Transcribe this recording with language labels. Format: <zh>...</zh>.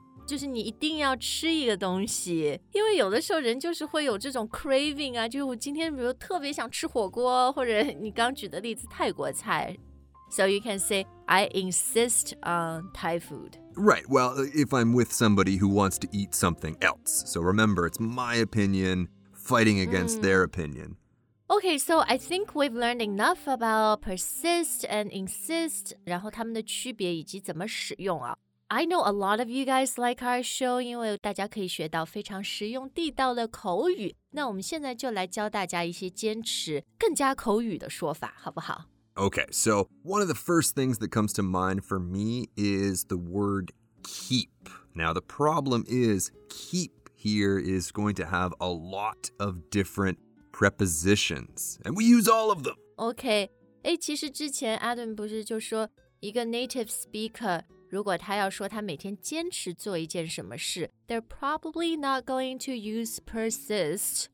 <zh>就是你一定要吃一个东西。因为有的时候人就是会有这种 craving 啊。就是我今天比如特别想吃火锅或者你刚举的例子泰国菜。</zh> <en>So you can say, I insist on Thai food. Right, well, if I'm with somebody who wants to eat something else. So remember, it's my opinion fighting against their opinion. Okay, so I think we've learned enough about persist and insist,</en> <zh>然后他们的区别以及怎么使用啊。</zh> <en>I know a lot of you guys like our show,</en> <zh>因为大家可以学到非常实用地道的口语。那我们现在就来教大家一些坚持更加口语的说法，好不好？</zh> <en>Okay, so one of the first things that comes to mind for me is the word keep. Now, the problem is keep here is going to have a lot of different prepositions, and we use all of them.</en> <zh>Okay, 诶其实之前 Adam 不是就说一个 native speaker, 如果他要说他每天坚持做一件什么事,</zh> <en>they're probably not going to use persist.</en>